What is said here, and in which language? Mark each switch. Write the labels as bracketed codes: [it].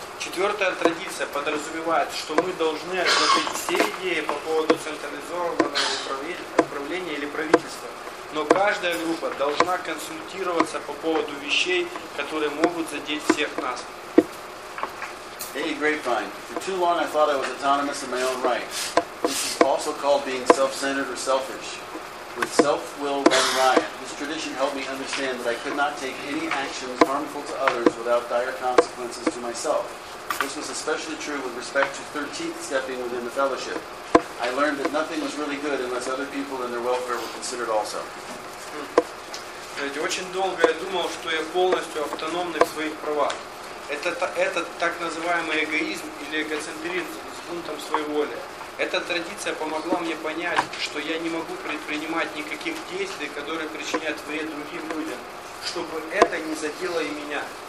[ru] Четвертая традиция подразумевает, что мы должны отложить все идеи по поводу централизованного управления или правительства. Но каждая группа должна консультироваться по поводу вещей, которые могут задеть всех нас. [en] Hey, Grapevine. For too long I thought I was autonomous in my own right. This is also called being self-centered or selfish. With self-will run riot, this tradition helped me understand that I could not take any actions harmful to others without dire consequences to myself. This was especially true with respect to 13th stepping within the fellowship. I learned that nothing was really good unless other people and their welfare were considered also. [ru] Очень долго я думал, что я полностью автономный в своих правах. Этот так называемый эгоизм или эгоцентризм с бунтом своей воли. Эта традиция помогла мне понять, что я не могу предпринимать никаких действий, которые причинят вред другим людям, чтобы это не задело и меня.